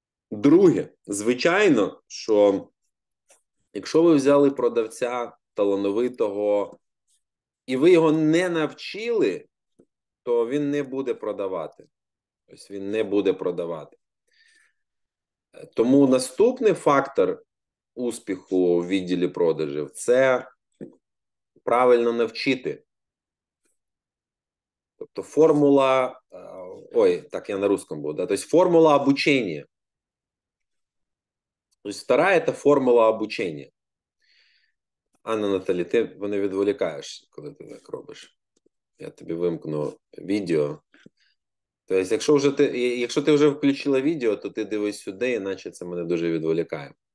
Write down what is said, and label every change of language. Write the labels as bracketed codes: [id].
[uk] Друге, звичайно, що якщо ви взяли продавця талановитого, і ви його не навчили, то він не буде продавати. Ось він не буде продавати. Тому наступний фактор успіху у відділі продажів – це правильно навчити. Тобто формула, ой, [ru] так я на русском буду, да? [uk] Тобто формула обучення. Тобто стара – це формула обучення. Анна Наталі, ти мене відволікаєш, коли ти так робиш. Я тобі вимкну відео. Тобто, якщо ти вже включила відео, то ти дивись сюди, іначе це мене дуже відволікає.